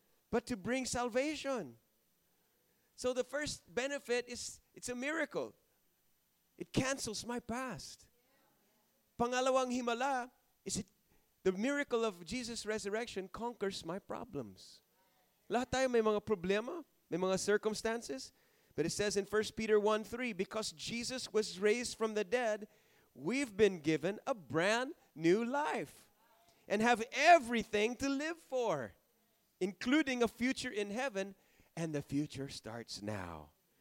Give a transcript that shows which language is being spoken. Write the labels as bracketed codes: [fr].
[en] But to bring salvation. So the first benefit is, it's a miracle. It cancels my past. [tl] Pangalawang himala, [en] is it the miracle of Jesus' resurrection conquers my problems. [tl] Lahat tayo may mga problema, may mga circumstances. [en] But it says in 1 Peter 1, 3, because Jesus was raised from the dead, we've been given a brand new life and have everything to live for, including a future in heaven, and the future starts now.